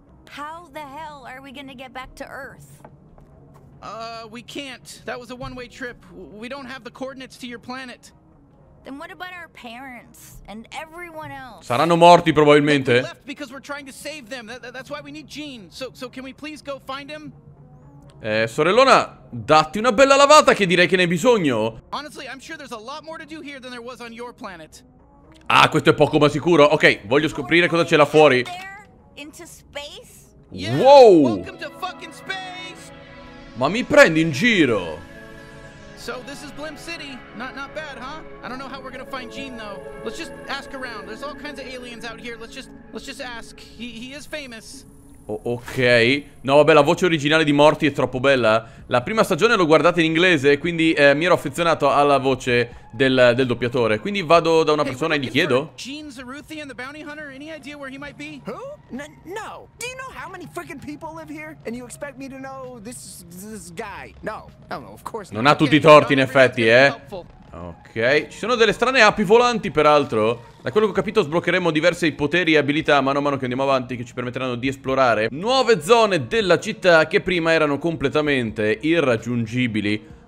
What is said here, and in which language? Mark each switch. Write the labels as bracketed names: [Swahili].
[English] How the hell are we gonna get back to Earth? We can't. That was a one-way trip. We don't have the coordinates to your planet. Then what about our parents and everyone else? [Italian] Saranno morti probabilmente. [English] We left because we're trying to save them. That's why we need Gene. So can we please go find him? [Italian] Sorellona, datti una bella lavata che direi che ne hai bisogno. [English] Honestly, I'm sure there's a lot more to do here than there was on your planet. [Italian] Ah, questo è poco ma sicuro. Ok, voglio scoprire cosa c'è là fuori. [English] Into space? Yeah, wow! Welcome to fucking space. [Italian] Ma mi prendi in giro? [English] So this is Blimp City. Not bad, huh? I don't know how we're gonna find Gene though. Let's just ask around. There's all kinds of aliens out here. Let's just ask. He is famous. Oh, ok. [Italian] No, vabbè, la voce originale di Morty è troppo bella. La prima stagione l'ho guardata in inglese, quindi mi ero affezionato alla voce del doppiatore. Quindi vado da una persona e gli chiedo. [English] Gene Zaruthi and the bounty hunter, any idea where he might be? Who? No. Do you know how many freaking people live here? And you expect me to know this guy? No. No, of course not. [Italian] Non ha tutti i torti, in effetti, eh. Ok. Ci sono delle strane api volanti, peraltro. Da quello che ho capito sbloccheremo diverse poteri e abilità mano a mano che andiamo avanti, che ci permetteranno di esplorare nuove zone della città che prima erano completamente irraggiungibili.